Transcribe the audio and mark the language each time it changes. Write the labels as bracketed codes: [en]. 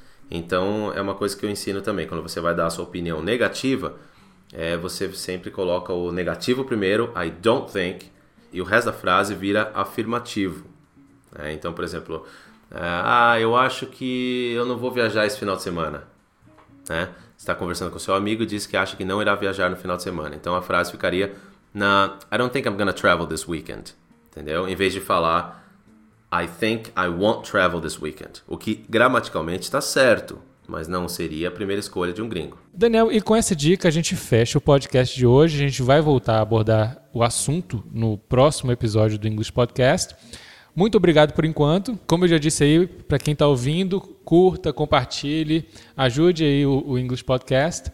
[pt] Então é uma coisa que eu ensino também, quando você vai dar a sua opinião negativa, você sempre coloca o negativo primeiro, [en] I don't think, [pt] e o resto da frase vira afirmativo. Então, por exemplo, eu acho que eu não vou viajar esse final de semana. Você está conversando com seu amigo e diz que acha que não irá viajar no final de semana. Então a frase ficaria, [en] nah, I don't think I'm going to travel this weekend. [pt] Entendeu? Em vez de falar, [en] I think I won't travel this weekend. [pt] O que gramaticalmente está certo, mas não seria a primeira escolha de um gringo. Daniel, e com essa dica a gente fecha o podcast de hoje. A gente vai voltar a abordar o assunto no próximo episódio do English Podcast. Muito obrigado por enquanto. Como eu já disse aí, para quem está ouvindo, curta, compartilhe, ajude aí o English Podcast.